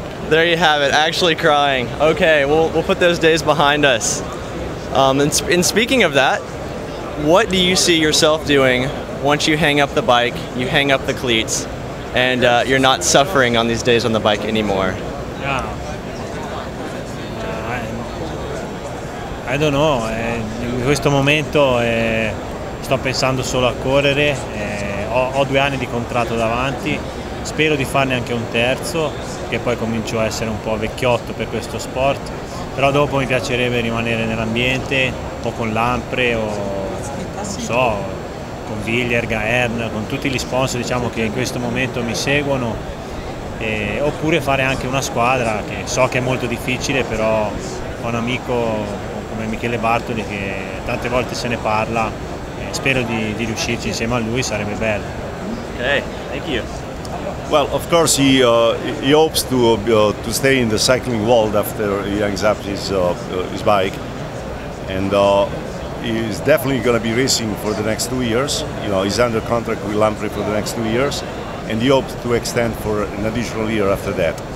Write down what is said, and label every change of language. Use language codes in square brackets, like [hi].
[en] There you have it, actually crying. Okay, we'll put those days behind us. And speaking of that, what do you see yourself doing once you hang up the bike, you hang up the cleats, and you're not suffering on these days on the bike anymore? Yeah. I don't know. [it] In questo momento sto pensando solo a correre. Ho 2 anni di contratto davanti. Spero di farne anche un terzo, che poi comincio a essere un po' vecchiotto per questo sport, però dopo mi piacerebbe rimanere nell'ambiente, un po' con Lampre o non so, con Willier, Gaern, con tutti gli sponsor, diciamo, che in questo momento mi seguono, oppure fare anche una squadra, che so che è molto difficile, però ho un amico come Michele Bartoli che tante volte se ne parla, spero di riuscirci insieme a lui, sarebbe bello. [en] Ok, thank you. Well, of course, he hopes to stay in the cycling world after he hangs up his bike, and he's definitely going to be racing for the next 2 years. You know, he's under contract with Lampre for the next 2 years, and he hopes to extend for an additional year after that.